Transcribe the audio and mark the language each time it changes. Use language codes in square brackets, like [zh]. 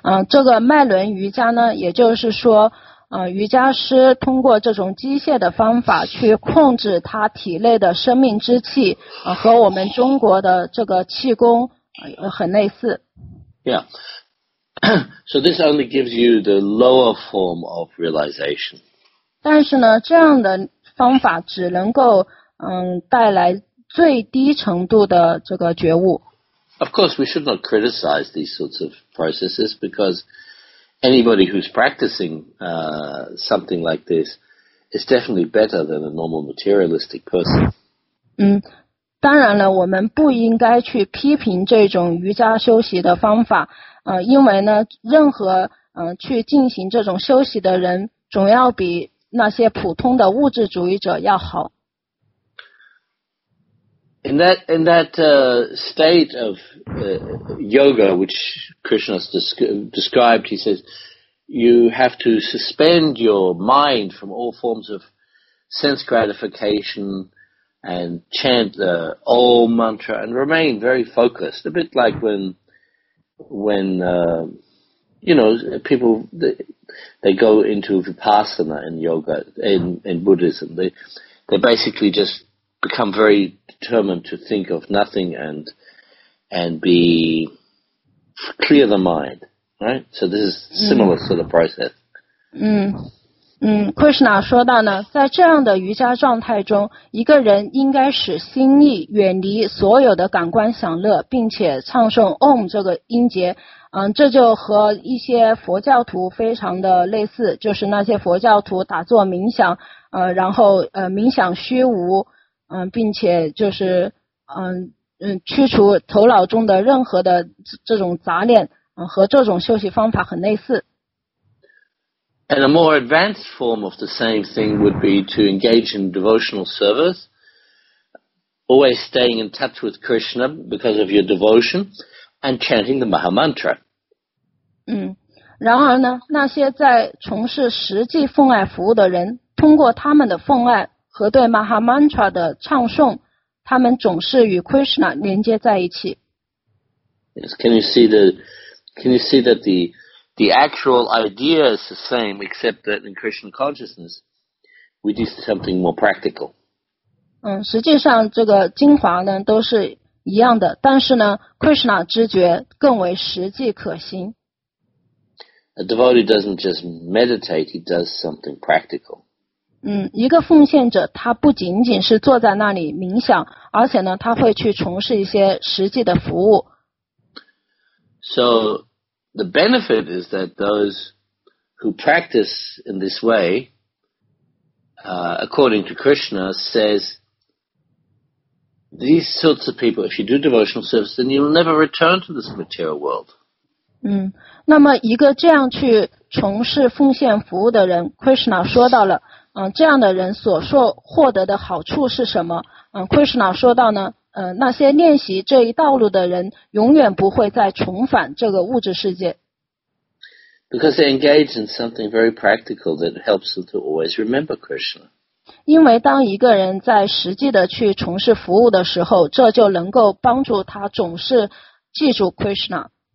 [zh] 这个脉轮瑜伽呢，也就是说，瑜伽师通过这种机械的方法去控制他体内的生命之气，和我们中国的这个气功很类似。 Yeah. [en] So this only gives you the lower form of realization. [zh] 但是呢，这样的方法只能够带来最低程度的这个觉悟。 [en] Of course, we should not criticize these sorts of processes because anybody who's practicing something like this is definitely better than a normal materialistic person. [zh] 当然了，我们不应该去批评这种瑜伽修习的方法，因为呢，任何去进行这种修习的人，总要比那些普通的物质主义者要好。 [en] In that state of yoga which Krishna described, he says you have to suspend your mind from all forms of sense gratification and chant the Om mantra and remain very focused, a bit like when people go into vipassana in yoga in Buddhism, they basically just become very determined to think of nothing and be clear the mind, right? So this is similar to the process. [zh] Krishna 说到呢，在这样的瑜伽状态中，一个人应该使心意远离所有的感官享乐，并且唱诵 Om 这个音节。这就和一些佛教徒非常的类似，就是那些佛教徒打坐冥想，然后冥想虚无。并且就是去除头脑中的任何的这种杂念，和这种休息方法很类似。 [en] And a more advanced form of the same thing would be to engage in devotional service, always staying in touch with Krishna because of your devotion, and chanting the Maha Mantra. [zh] 然而呢，那些在从事实际奉爱服务的人，通过他们的奉爱和对 Maha Mantra 的唱诵，他们总是与 Krishna 连接在一起。 [en] Yes, can you see that the actual idea is the same, except that in Krishna consciousness, we do something more practical. [zh] 实际上这个精华呢都是一样的，但是呢 ，Krishna 知觉更为实际可行。 [en] A devotee doesn't just meditate; he does something practical. [zh] 一个奉献者他不仅仅是坐在那里冥想，而且呢，他会去从事一些实际的服务。 [en] So the benefit is that those who practice in this way, according to Krishna, says these sorts of people, if you do devotional service, then you'll never return to this material world. [zh] 那么一个这样去从事奉献服务的人 ，Krishna 说到了。这样的人所获得的好处是什么？ Krishna 说到呢，那些练习这一道路的人永远不会再重返这个物质世界。 [en] Because they engage in something very practical that helps them to always remember Krishna. [zh] 因为当一个人在实际的去从事服务的时候，这就能够帮助他总是记住 Krishna.